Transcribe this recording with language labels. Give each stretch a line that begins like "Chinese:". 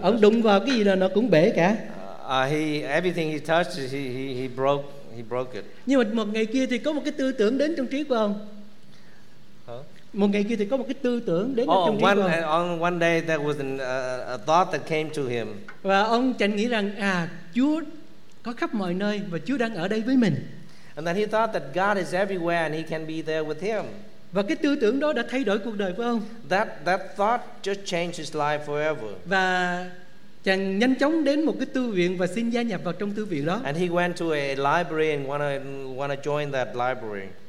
Vietnamese: Ông đụng vào cái gì là nó cũng bể cả.
English: Everything he touched, he broke it.
Vietnamese: Nhưng mà một ngày kia thì có một cái tư tưởng đến trong trí của ông. Một ngày kia thì có một cái tư tưởng đến trong trí của ông.
English: On one day there was a thought that came to him.
Vietnamese: Và ông chẳng nghĩ rằng Chúa có khắp mọi nơi và Chúa đang ở đây với mình.
English: And then he thought that God is everywhere and he can be there with him.
Vietnamese: Và cái tư tưởng đó đã thay đổi cuộc đời của ông.
English: That thought just changed his life forever.
Vietnamese: Và chàng nhanh chóng đến một cái tu viện và xin gia nhập vào trong tu viện đó.
English: And he went to a library and wanna join that library.